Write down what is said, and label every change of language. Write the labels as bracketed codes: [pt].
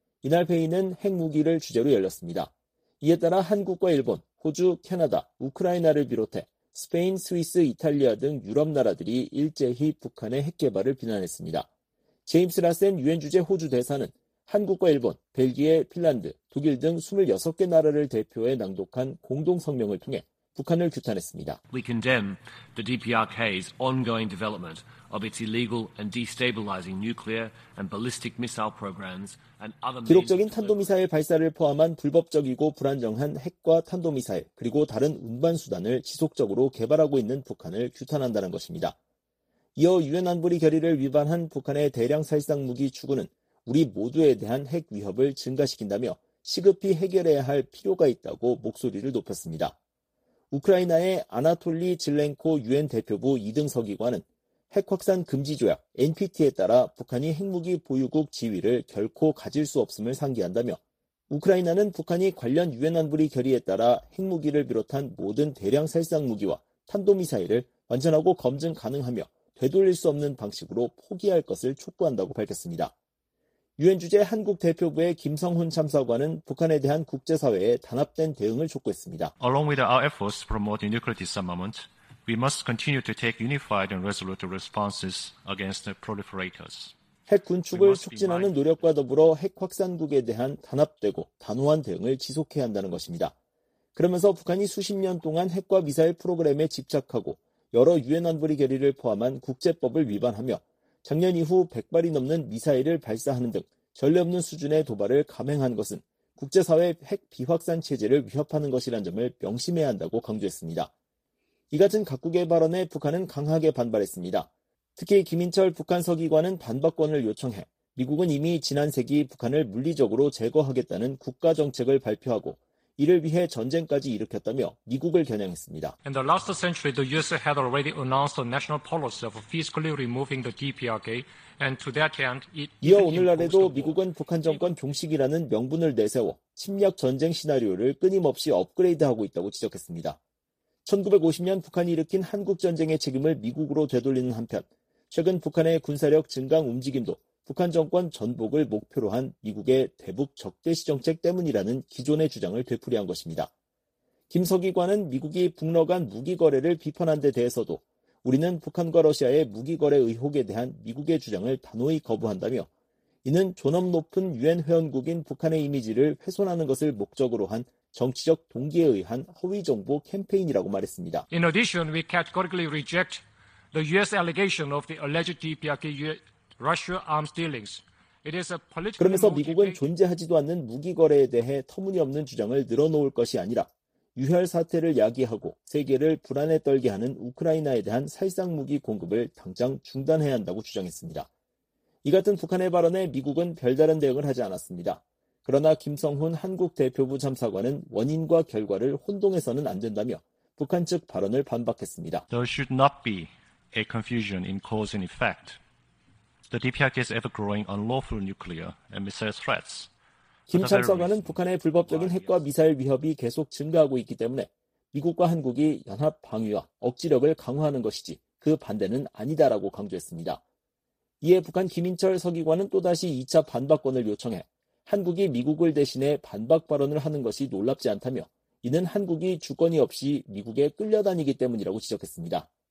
[ko] 이날 회의는 핵무기를 주제로 열렸습니다. 이에 따라 한국과 일본, 호주, 캐나다, 우크라이나를 비롯해 스페인, 스위스, 이탈리아 등 유럽 나라들이 일제히 북한의 핵 개발을 비난했습니다. 제임스 라센 유엔 주재 호주 대사는 한국과 일본, 벨기에, 핀란드, 독일 등 26개 나라를 대표해 낭독한 공동 성명을 통해 북한을 규탄했습니다. [en] We condemn the DPRK's ongoing development of its illegal and destabilizing nuclear and ballistic missile programs and other [ko] 기록적인 탄도미사일 발사를 포함한 불법적이고 불안정한 핵과 탄도미사일 그리고 다른 운반 수단을 지속적으로 개발하고 있는 북한을 규탄한다는 것입니다. 이어 유엔 안보리 결의를 위반한 북한의 대량 살상 무기 추구는 우리 모두에 대한 핵 위협을 증가시킨다며 시급히 해결해야 할 필요가 있다고 목소리를 높였습니다. 우크라이나의 아나톨리 질렌코 유엔 대표부 2등 서기관은 핵 확산 금지 조약 NPT에 따라 북한이 핵무기 보유국 지위를 결코 가질 수 없음을 상기한다며 우크라이나는 북한이 관련 유엔 안보리 결의에 따라 핵무기를 비롯한 모든 대량 살상 무기와 탄도미사일을 완전하고 검증 가능하며 되돌릴 수 없는 방식으로 포기할 것을 촉구한다고 밝혔습니다. 유엔 주재 한국 대표부의 김성훈 참사관은 북한에 대한 국제사회의 단합된 대응을 촉구했습니다. [en] Along with our efforts to promote nuclear disarmament, we must continue to take unified and resolute responses against the proliferators. [ko] 핵 군축을 촉진하는 노력과 더불어 핵 확산국에 대한 단합되고 단호한 대응을 지속해야 한다는 것입니다. 그러면서 북한이 수십 년 동안 핵과 미사일 프로그램에 집착하고 여러 유엔 안보리 결의를 포함한 국제법을 위반하며 작년 이후 100발이 넘는 미사일을 발사하는 등 전례 없는 수준의 도발을 감행한 것은 국제사회 핵 비확산 체제를 위협하는 것이란 점을 명심해야 한다고 강조했습니다. 이 같은 각국의 발언에 북한은 강하게 반발했습니다. 특히 김인철 북한 서기관은 반박권을 요청해 미국은 이미 지난 세기 북한을 물리적으로 제거하겠다는 국가 정책을 발표하고 이를 위해 전쟁까지 일으켰다며 미국을 겨냥했습니다. [en] In the last century, the US had already announced a national policy of physically removing the DPRK, and to that end, it [ko] 이어 오늘날에도 미국은 북한 정권 종식이라는 명분을 내세워 침략 전쟁 시나리오를 끊임없이 업그레이드하고 있다고 지적했습니다. 1950년 북한이 일으킨 한국 전쟁의 책임을 미국으로 되돌리는 한편, 최근 북한의 군사력 증강 움직임도 북한 정권 전복을 목표로 한 미국의 대북 적대시 정책 때문이라는 기존의 주장을 되풀이한 것입니다. 김 서기관은 미국이 북러 간 무기 거래를 비판한 데 대해서도 우리는 북한과 러시아의 무기 거래 의혹에 대한 미국의 주장을 단호히 거부한다며 이는 존엄 높은 유엔 회원국인 북한의 이미지를 훼손하는 것을 목적으로 한 정치적 동기에 의한 허위 정보 캠페인이라고 말했습니다. [en] In addition, we categorically reject the US allegation of the alleged DPRK Russia arms dealings. It is a political [ko] 그러면서 미국은 존재하지도 않는 무기 거래에 대해 터무니없는 주장을 늘어놓을 것이 아니라 유혈 사태를 야기하고 세계를 불안에 떨게 하는 우크라이나에 대한 살상 무기 공급을 당장 중단해야 한다고 주장했습니다. 이 같은 북한의 발언에 미국은 별다른 대응을 하지 않았습니다. 그러나 김성훈 한국 대표부 참사관은 원인과 결과를 혼동해서는 안 된다며 북한 측 발언을 반박했습니다. [en] There should not be a confusion in cause and effect. The DPRK's ever-growing unlawful nuclear and missile threats. [ko] 김 참사관은 북한의 불법적인 핵과 미사일 위협이 계속 증가하고 있기 때문에 미국과 한국이 연합 방위와 억지력을 강화하는 것이지 그 반대는 아니다라고 강조했습니다. 이에 북한 김인철 서기관은 또다시 2차 반박권을 요청해 한국이 미국을 대신해 반박 발언을 하는 것이 놀랍지 않다며 이는 한국이 주권이 없이 미국에 끌려다니기 때문이라고 지적했습니다.